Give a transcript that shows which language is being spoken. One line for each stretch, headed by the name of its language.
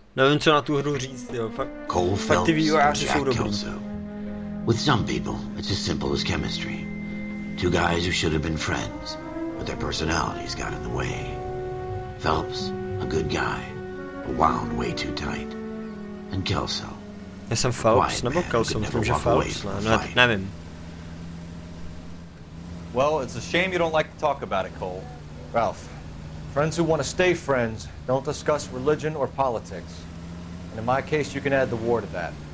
Czech: Nevím, co na tu hru říct, jo. Fakt ty vývojáři jsou dobrý.
English: With some people, it's as simple as chemistry. Two guys who should have been friends, but their personalities got in the way. Phelps, a good guy, but wound way too tight. And Kelso.
Czech: Já jsem Phelps, nebo Kelso, myslím, že Phelps, nevím.
English: Well, it's a shame you don't like to talk about it, Cole. Ralph. Friends who want to stay friends don't discuss religion or politics. And in my case, you can add the war to that.